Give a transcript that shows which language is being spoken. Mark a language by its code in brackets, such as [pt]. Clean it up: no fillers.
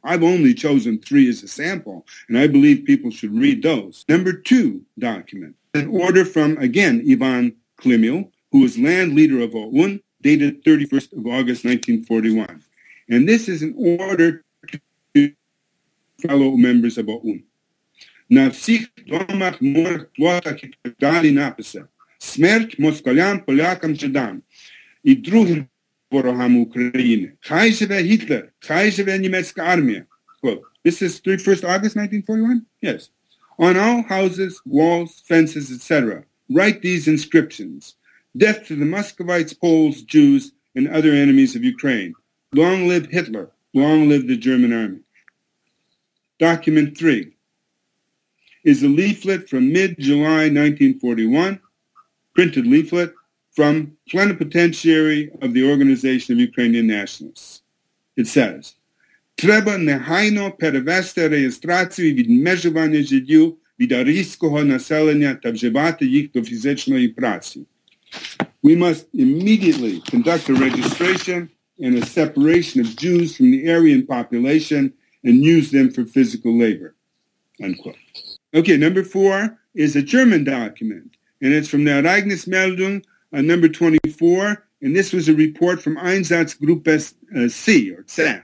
[en] I've only chosen three as a sample, and I believe people should read those. Number two document, an order from, again, Ivan Klimil, who was land leader of AUN, dated 31st of August, 1941. And this is an order to fellow members of AUN. [uk] На всіх домах, морах, плотах і так далі написи. Смерть москалям, полякам, жидам. І другим ворогам України. Хай живе Гітлер, хай живе німецька армія. [en] This is 31st August 1941? Yes. On all houses, walls, fences, etc. Write these inscriptions. Death to the Muscovites, Poles, Jews, and other enemies of Ukraine. Long live Hitler. Long live the German army. Document 3. is a leaflet from mid-July 1941, printed leaflet from plenipotentiary of the Organization of Ukrainian Nationalists. It says, [uk] "Треба негайно перевести реєстрацію від межування жидів від арійського населення та вживати їх до фізичної праці." [en] We must immediately conduct a registration and a separation of Jews from the Aryan population and use them for physical labor. Unquote. Okay, number four is a German document, and it's from the Ereignismeldung, number 24, and this was a report from Einsatzgruppe C, or C.